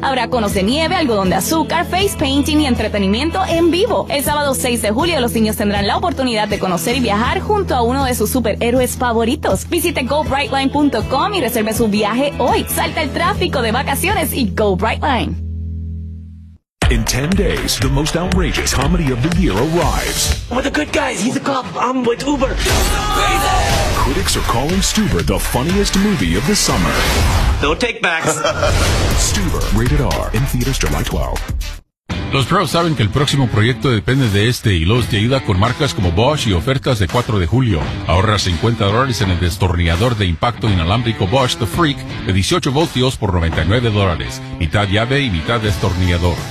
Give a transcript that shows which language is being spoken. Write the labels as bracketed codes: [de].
[es] Habrá conos de nieve, algodón de azúcar, face painting y entretenimiento en vivo. El sábado 6 de julio los niños tendrán la oportunidad de conocer y viajar junto a uno de sus superhéroes favoritos. Visite GoBrightline.com y reserve su viaje hoy. Salta el tráfico de vacaciones y Go Brightline. [en] In 10 days, the most outrageous comedy of the year arrives. We're the good guys. He's a cop. I'm with Uber. Critics are calling Stuber the funniest movie of the summer. No take backs. Stuber, rated R, in theaters July 12. [es] Los pros saben que el próximo proyecto depende de este y los te ayuda con marcas como Bosch y ofertas de 4 de julio. Ahorra $50 en el destornillador de impacto inalámbrico Bosch The Freak de 18 voltios por $99. Mitad llave y mitad destornillador.